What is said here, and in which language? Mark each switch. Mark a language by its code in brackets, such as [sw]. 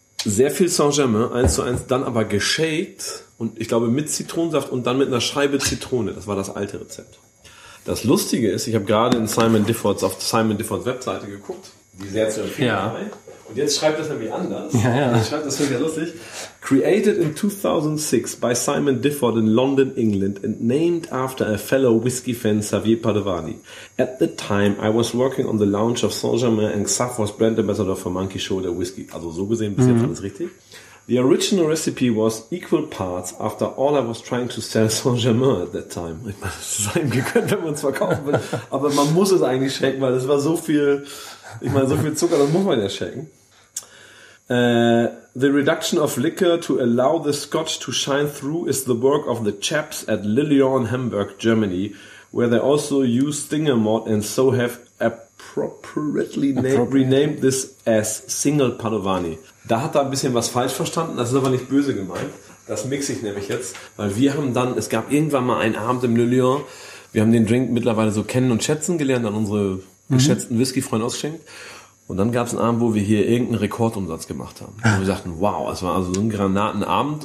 [de] Sehr viel Saint-Germain, 1:1, dann aber geshaked und ich glaube mit Zitronensaft und dann mit einer Scheibe Zitrone. Das war das alte Rezept. Das Lustige ist, ich habe gerade in Simon Difford's Webseite geguckt, die sehr zu empfehlen war. Und jetzt schreibt das nämlich anders. Ja, ja. Jetzt schreibt das wirklich lustig. [en] Created in 2006 by Simon Difford in London, England and named after a fellow whisky fan, Xavier Padovani. At the time, I was working on the launch of Saint-Germain and Xav was brand ambassador for Monkey Shoulder Whisky. [de] Also so gesehen, bis jetzt alles richtig. [en] The original recipe was equal parts after all I was trying to sell Saint-Germain at that time. [de] Ich meine, es ist einem gegönnt, wenn man es verkaufen will. Aber man muss es eigentlich schenken, weil es war so viel, ich meine, so viel Zucker, das muss man ja schenken. [en] The reduction of liquor to allow the scotch to shine through is the work of the chaps at Le Lion, Hamburg, Germany, where they also use Stinger malt and so have appropriately renamed this as Single Padovani. [de] Da hat er ein bisschen was falsch verstanden, das ist aber nicht böse gemeint. Das mixe ich nämlich jetzt, weil wir haben dann, es gab irgendwann mal einen Abend im Le Lion, wir haben den Drink mittlerweile so kennen und schätzen gelernt, an unsere geschätzten Whisky-Freunde ausgeschenkt. Und dann gab es einen Abend, wo wir hier irgendeinen Rekordumsatz gemacht haben. Und wir sagten, wow, es war also so ein Granatenabend.